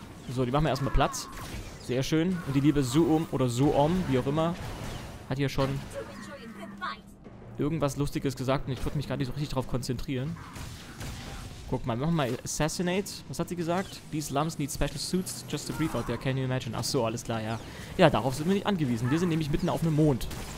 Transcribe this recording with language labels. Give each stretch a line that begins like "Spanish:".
German: So, die machen wir erstmal Platz. Sehr schön. Und die liebe Suom oder Suom, wie auch immer, hat hier schon irgendwas Lustiges gesagt und ich konnte mich gar nicht so richtig darauf konzentrieren. Guck mal, wir machen mal Assassinate. Was hat sie gesagt?
English: These Lums need special suits just to breathe out there, can you imagine?
German: Ach so, alles klar, ja. Ja, darauf sind wir nicht angewiesen. Wir sind nämlich mitten auf einem Mond.